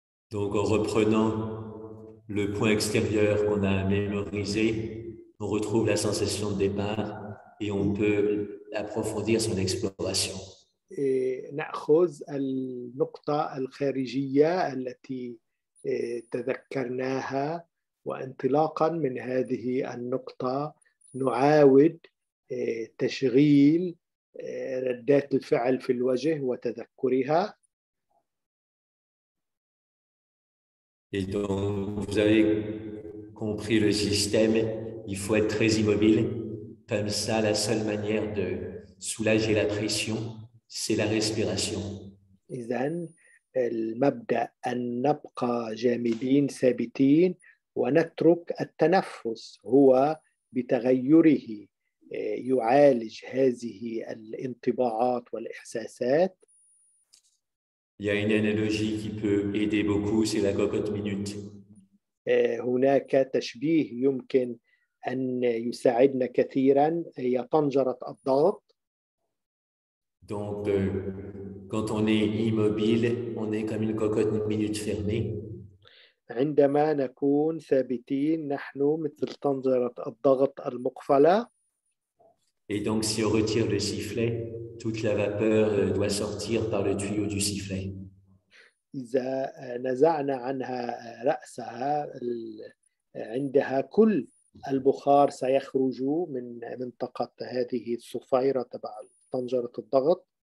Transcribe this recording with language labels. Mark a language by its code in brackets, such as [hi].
[fr] Donc en reprenant le point extérieur qu'on a mémorisé, on retrouve la sensation de départ et on peut approfondir son exploration. [ar] نأخذ النقطة الخارجية التي تذكرناها وانطلاقا من هذه النقطة نعاود تشغيل ردات الفعل في الوجه وتذكرها. [fr] Et donc, vous avez compris le système, il faut être très immobile. Comme ça, la seule manière de soulager la pression, c'est la respiration. [ar] إذن المبدأ أن نبقى جامدين ثابتين ونترك التنفس هو بتغيره يعالج هذه الانطباعات والإحساسات. [fr] Il y a une analogie qui peut aider beaucoup, c'est la cocotte minute. [ar] هناك تشبيه يمكن أن يساعدنا كثيرا هي طنجرة الضغط. [fr] Donc, quand on est immobile, on est comme une cocotte minute fermée. [ar] عندما نكون ثابتين نحن مثل طنجرة الضغط المقفلة. [fr] Et donc, si on retire le sifflet, toute la vapeur doit sortir par le tuyau du sifflet. [ar] إذا نزعنا عنها رأسها عندها كل البخار سيخرج من منطقة هذه الصفيرة تبع طنجرة الضغط.